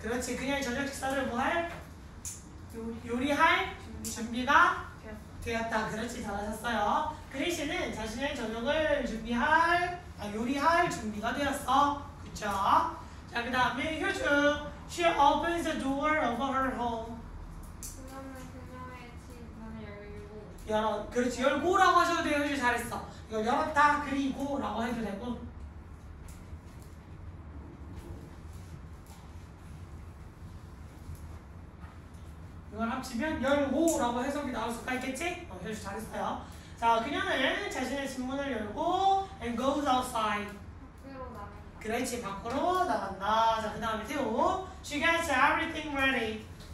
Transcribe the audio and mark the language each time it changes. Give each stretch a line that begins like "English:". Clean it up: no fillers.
Korean: 그렇지, 그녀의 저녁 식사를 뭐 할? 요리할 준비가 되었다. 그렇지, 잘하셨어요. 그린 씨는 자신의 저녁을 준비할, 아, 요리할 준비가 되었어. 그쵸? 자, 그 다음에 효주.
English: She opens the door of her home.
Korean: 그녀는 그녀의 집 문을 열고. 열어, 그렇지, 열고 라고 하셔도 돼요. 효주 잘했어. 이거 열었다, 그리고 라고 해도 되고. 이걸 합치면 열고라고 해석이 나올 수가 있겠지? 어, 효주 잘했어요. 자, 그녀는 자신의 집문을 열고
English: and goes outside.
Korean: 밖으로 나간다. 그렇지, 밖으로 나간다. 자, 그 다음에 태우.
English: She gets everything ready.